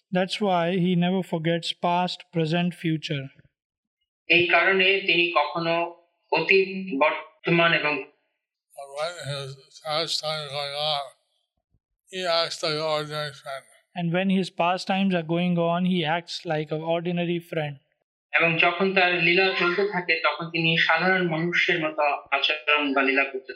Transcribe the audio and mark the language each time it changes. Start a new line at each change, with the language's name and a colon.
English: That's why he never forgets past, present, future.
Bangla: এই কারণে তিনি কখনো অতীত, বর্তমান এবং
English: And when his pastimes are going on, he acts like an ordinary friend.
Bangla: এবং যখন তার লীলা চলতে থাকে তখন তিনি সাধারণ মানুষের মতো আচরণ বা লীলা করতে